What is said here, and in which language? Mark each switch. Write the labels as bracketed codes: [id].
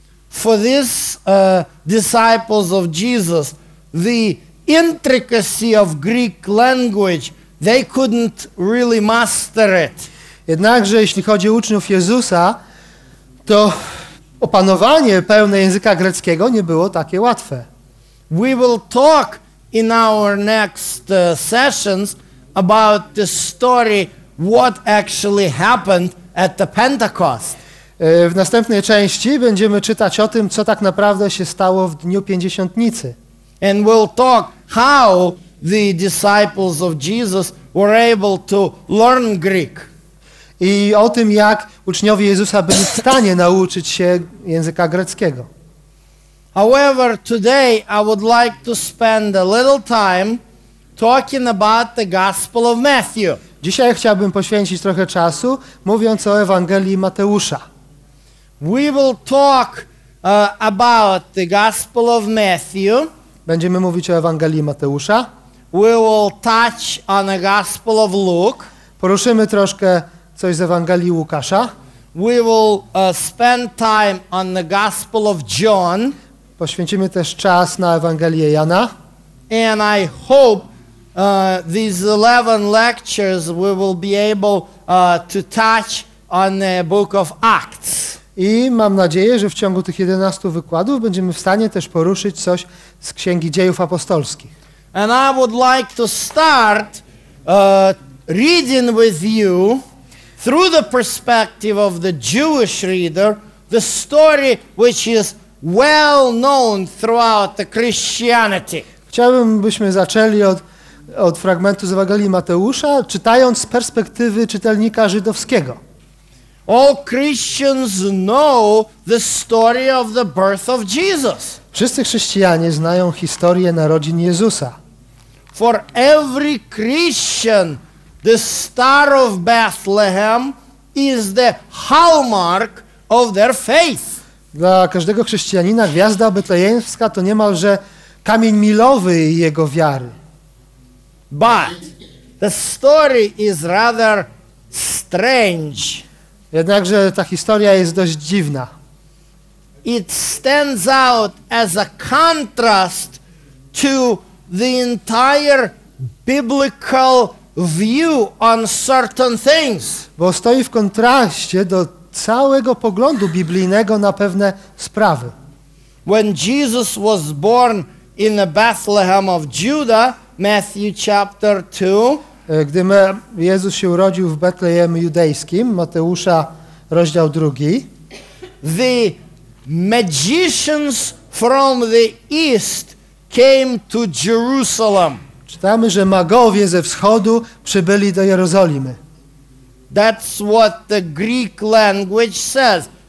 [en] for these disciples of Jesus, the intricacy of Greek language, they couldn't really master it. [pl] Jednakże, jeśli chodzi o uczniów Jezusa, to opanowanie pełne języka greckiego nie było takie łatwe. [en] We will talk in our next sessions about the story, what actually happened at the Pentecost. [pl] W następnej części będziemy czytać o tym, co tak naprawdę się stało w dniu Pięćdziesiątnicy. [en] And we'll talk how the disciples of Jesus were able to learn Greek. [pl] I o tym, jak uczniowie Jezusa byli w stanie nauczyć się języka greckiego. [en] However, today I would like to spend a little time talking about the Gospel of Matthew. [pl] Dzisiaj chciałbym poświęcić trochę czasu, mówiąc o Ewangelii Mateusza. [en] We will talk about the Gospel of Matthew. [pl] Będziemy mówić o Ewangelii Mateusza. [en] We will touch on the Gospel of Luke. [pl] Poruszymy troszkę coś z Ewangelii Łukasza. [en] We will spend time on the Gospel of John. [pl] Poświęcimy też czas na Ewangelię Jana. [en] And I hope these 11 lectures we will be able to touch on the book of Acts. [pl] I mam nadzieję, że w ciągu tych 11 wykładów będziemy w stanie też poruszyć coś z Księgi Dziejów Apostolskich. [en] And I would like to start reading with you through the perspective of the Jewish reader the story which is well known throughout the Christianity. [pl] Chciałbym, byśmy zaczęli od fragmentu z Ewangelii Mateusza, czytając z perspektywy czytelnika żydowskiego. [en] All Christians know the story of the birth of Jesus. [pl] Wszyscy chrześcijanie znają historię narodzin Jezusa. [en] For every Christian, the star of Bethlehem is the hallmark of their faith. [pl] Dla każdego chrześcijanina gwiazda betlejemska to niemalże kamień milowy jego wiary. [en] But the story is rather strange. [pl] Jednakże ta historia jest dość dziwna. [en] It stands out as a contrast to the entire biblical view on certain things. [pl] Bo stoi w kontraście do całego poglądu biblijnego na pewne sprawy. [en] When Jesus was born in the Bethlehem of Judah, Matthew chapter 2. [pl] Gdy Jezus się urodził w Betlejem judejskim, Mateusza rozdział 2. [en] The magicians from the east came to Jerusalem. [pl] Czytamy, że magowie ze wschodu przybyli do Jerozolimy. [en] That's what the Greek language says.